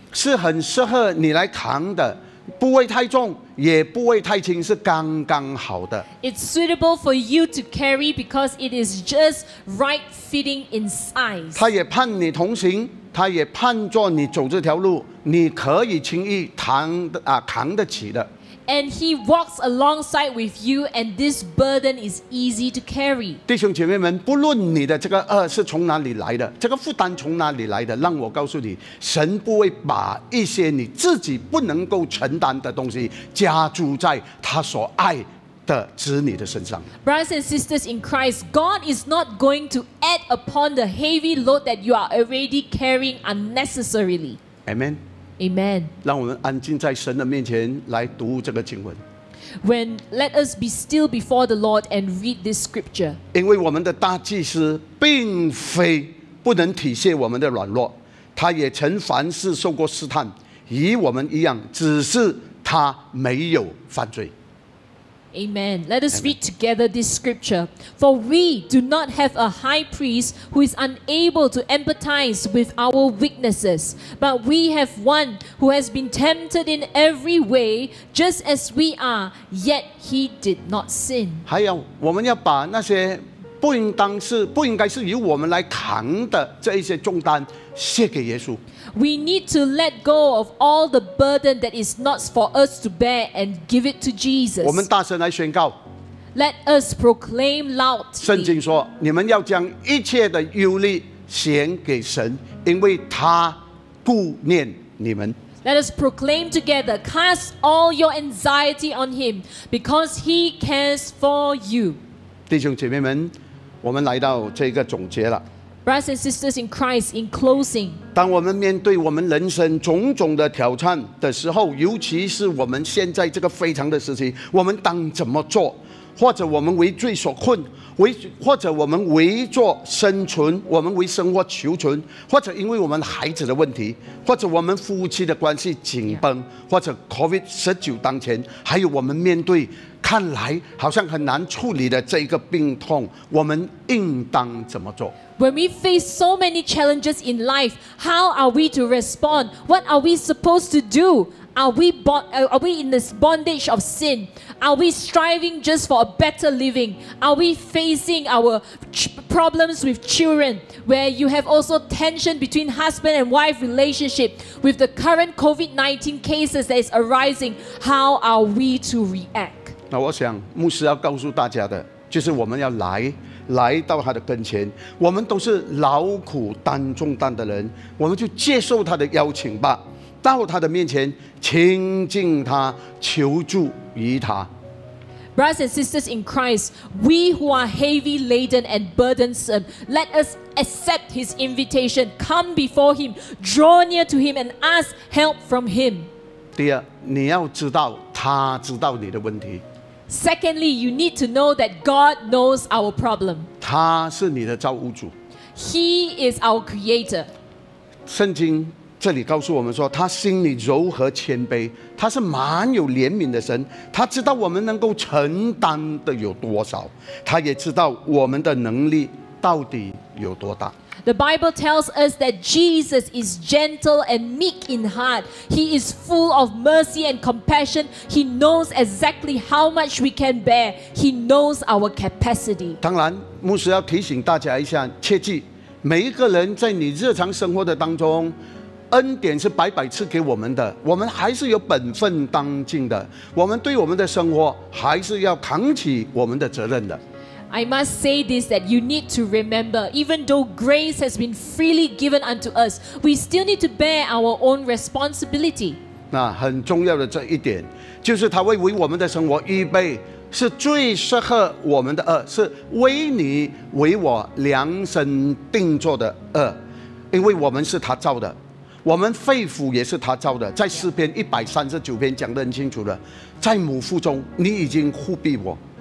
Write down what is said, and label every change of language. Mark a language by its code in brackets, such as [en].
[zh] 是很适合你来扛的，不会太重，也不会太轻，是刚刚好的。 [en] It's suitable for you to carry because it is just right fitting in size. [zh] 他也盼你同行，他也盼着你走这条路，你可以轻易扛啊扛得起的。 [en] And he walks alongside with you, and this burden is easy to carry. [zh] 弟兄姐妹们，不论你的这个轭是从哪里来的，这个负担从哪里来的，让我告诉你，神不会把一些你自己不能够承担的东西加诸在他所爱的子女的身上。 [en] Brothers and sisters in Christ, God is not going to add upon the heavy load that you are already carrying unnecessarily. Amen. Amen. [zh] 让我们安静在神的面前来读这个经文。 [en] When let us be still before the Lord and read this scripture. [zh] 因为我们的大祭司并非不能体谢我们的软弱，他也曾凡事受过试探，与我们一样，只是他没有犯罪。 [en] Amen. Let us read together this scripture. For we do not have a high priest who is unable to empathize with our weaknesses, but we have one who has been tempted in every way, just as we are, yet he did not sin. [zh] 还有，我们要把那些不应当是、不应该是由我们来扛的这一些重担卸给耶稣。 [en] We need to let go of all the burden that is not for us to bear and give it to Jesus. [zh] 我们大声来宣告。 [en] Let us proclaim loud. [zh] 圣经说，你们要将一切的忧虑显给神，因为他顾念你们。 [en] Let us proclaim together, cast all your anxiety on him, because he cares for you. [zh] 弟兄姐妹们，我们来到这个总结了。 [en] Brothers and sisters in Christ, in closing, [zh] 当我们面对我们人生种种的挑战的时候，尤其是我们现在这个非常的时期，我们当怎么做？或者我们为罪所困，或者我们为做生存，我们为生活求存，或者因为我们孩子的问题，或者我们夫妻的关系紧绷，或者 COVID-19 当前，还有我们面对看来好像很难处理的这个病痛，我们应当怎么做？ [en] When we face so many challenges in life, how are we to respond? What are we supposed to do? Are we in this bondage of sin? Are we striving just for a better living? Are we facing our problems with children, where you have also tension between husband and wife relationship with the current COVID-19 cases that is arising? How are we to react? [zh] 那我想牧师要告诉大家的，就是我们要来到他的跟前，我们都是劳苦担重担的人，我们就接受他的邀请吧，到他的面前亲近他，求助于他。 [en] Brothers and sisters in Christ, we who are heavy laden and burdensome, let us accept his invitation, come before him, draw near to him and ask help from him. [zh] 第二，你要知道他知道你的问题。 [en] Secondly, you need to know that God knows our problem. [zh] 他是你的造物主。 [en] He is our creator. [zh] 圣经这里告诉我们说，他心里柔和谦卑，他是蛮有怜悯的神，他知道我们能够承担的有多少，他也知道我们的能力到底有多大。 [en] The Bible tells us that Jesus is gentle and meek in heart. He is full of mercy and compassion. He knows exactly how much we can bear. He knows our capacity. [zh] 当然，牧师要提醒大家一下，切记，每一个人在你日常生活的当中，恩典是白白赐给我们的，我们还是有本分当尽的，我们对我们的生活还是要扛起我们的责任的。 [en] I must say this, that you need to remember, even though grace has been freely given unto us, we still need to bear our own responsibility. [zh] 那很重要的这一点，就是他为我们的生活预备，是最适合我们的轭，是为你为我量身定做的轭，因为我们是他造的，我们肺腑也是他造的，在诗篇139篇讲得很清楚了，在母腹中你已经护庇我。